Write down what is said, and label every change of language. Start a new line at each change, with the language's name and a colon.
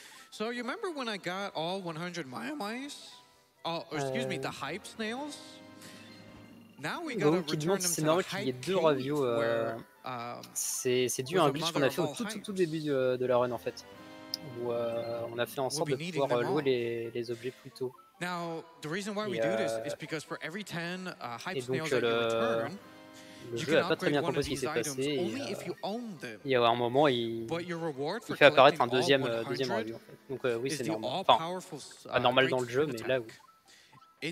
English: So you remember when I got all 100 Mayamais? Excuse me, the hype snails? Now we got to return them to the hype cave where...
French: C'est dû à un glitch qu'on a fait au tout début de la run, en fait. Où on a fait en sorte de pouvoir louer les objets plus tôt.
English: Now, the reason why we do this is because for every 10 hype snails that you return,
French: le jeu n'a pas très bien compris ce qui s'est passé et il y a un moment il fait apparaître un deuxième review. Donc oui, c'est normal. Enfin, pas normal dans le jeu, mais là, oui.